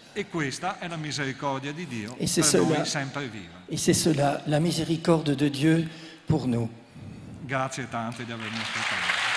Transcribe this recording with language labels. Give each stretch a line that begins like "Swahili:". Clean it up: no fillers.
Italian: E questa è la misericordia di Dio e per noi sempre vivo.
French: Et c'est cela, la miséricorde de Dieu pour nous.
Italian: Grazie tante di avermi ascoltato.